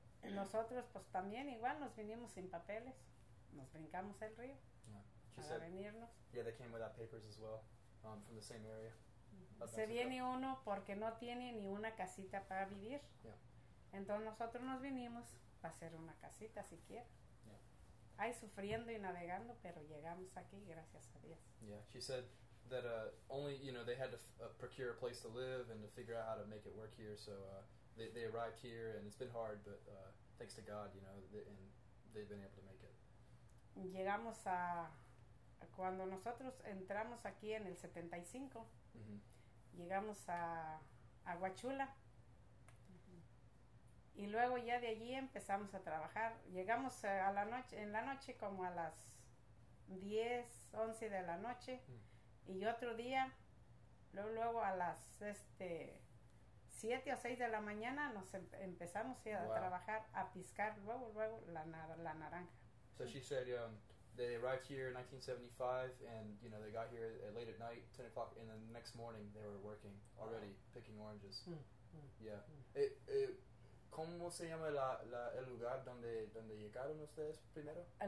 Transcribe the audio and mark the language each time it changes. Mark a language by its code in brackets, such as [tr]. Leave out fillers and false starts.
[es] Nosotros pues también igual nos vinimos sin papeles, nos brincamos el río para venirnos. [en] Yeah, they came without papers as well, from the same area. [es] Se viene uno porque no tiene ni una casita para vivir. [en] Yeah. [es] Entonces nosotros nos vinimos para hacer una casita siquiera. [en] Yeah. [es] Ahí sufriendo y navegando, pero llegamos aquí, gracias a Dios. [en] Yeah, she said that only, you know, they had to procure a place to live and to figure out how to make it work here, so they arrived here, and it's been hard, but thanks to God, you know, they've been able to make it. [es] Llegamos a, cuando nosotros entramos aquí en el 75, llegamos a Huachula, y luego ya de allí empezamos a trabajar. Llegamos a la noche, en la noche como a las 10, 11 de la noche, y otro día, luego a las 7 o 6 de la mañana, nos empezamos a trabajar, a piscar luego la naranja. [en] So she said, they arrived here in 1975, and you know, they got here late at night, 10 o'clock, and then the next morning they were working already, picking oranges. Yeah. [es] ¿Cómo se llama el lugar donde llegaron ustedes primero?